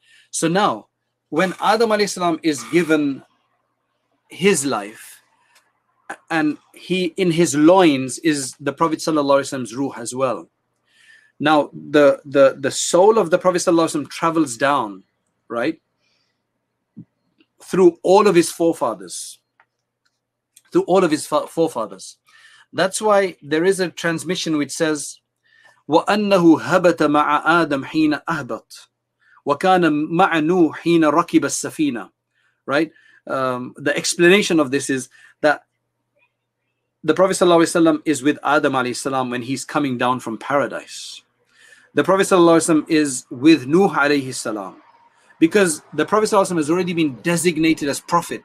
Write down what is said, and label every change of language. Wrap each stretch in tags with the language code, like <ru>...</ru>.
<en>So now, when Adam alayhi salam is given his life, and he in his loins is the Prophet sallallahu alayhi wasallam's ruh as well. Now, the soul of the Prophet sallallahu alaihi wasallam travels down, right, through all of his forefathers, to all of his forefathers. That's why there is a transmission which says,</en> <ar>وَأَنَّهُ هَبَتَ مَعَ آدَمْ حِينَ أَهْبَطْ وَكَانَ مَعَ نُوحٍ حِينَ رَكِبَ السَّفِينَةِ.</ar> <en>Right? The explanation of this is that the Prophet Sallallahu Alaihi Wasallam is with Adam Alayhi Salam when he's coming down from paradise. The Prophet Sallallahu Alaihi Wasallam is with Nuh Alayhi Salam, because the Prophet Sallallahu Alaihi Wasallam has already been designated as Prophet.</en>